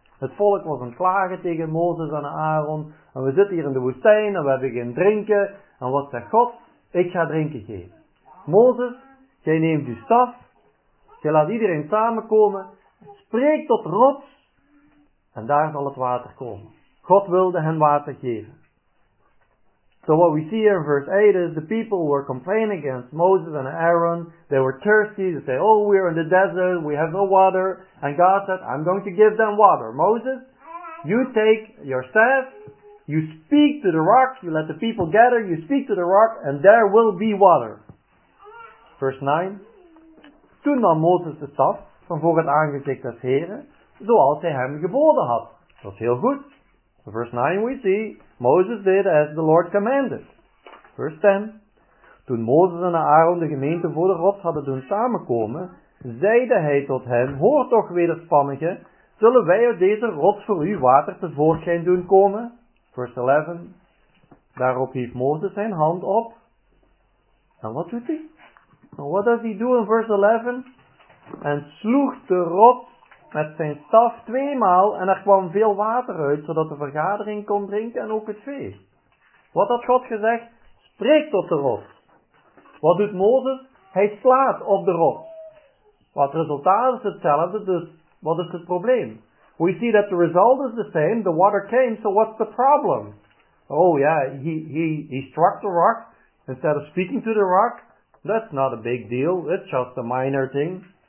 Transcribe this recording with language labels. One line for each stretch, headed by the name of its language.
Dutch: Het volk was aan het klagen tegen Mozes en Aaron. En we zitten hier in de woestijn en we hebben geen drinken. En wat zegt God? Ik ga drinken geven. Mozes, jij neemt uw staf. Jij laat iedereen samenkomen. Spreek tot rots. En daar zal het water komen. God wilde hen water geven.
English: So what we see here in verse 8 is the people were complaining against Moses and Aaron. They were thirsty. They say, oh, we're in the desert. We have no water. And God said, I'm going to give them water. Moses, you take your staff You speak to the rock, you let the people gather, you speak to the rock, and there will be water. Verse 9.
Dutch: Toen nam Mozes de staf van voor het aangezicht des Heren, zoals hij hem geboden had. Dat is heel goed.
English: Verse 9 we see, Moses did as the Lord commanded. Verse 10.
Dutch: Toen Mozes en Aaron de gemeente voor de rots hadden doen samenkomen, zeide hij tot hen, hoor toch wederspannigen, zullen wij uit deze rots voor u water tevoorschijn doen komen?
English: Verse 11.
Dutch: Daarop hief Mozes zijn hand op. En wat doet hij?
English: What does he do in verse 11?
Dutch: En sloeg de rots met zijn staf tweemaal en er kwam veel water uit, zodat de vergadering kon drinken en ook het vee. Wat had God gezegd? Spreek tot de rots. Wat doet Mozes? Hij slaat op de rots. Wat resultaat is hetzelfde, dus wat is het probleem?
English: We see that the result is the same, the water came, so what's the problem? Oh yeah, he struck the rock, instead of speaking to the rock, that's not a big deal, it's just a minor thing.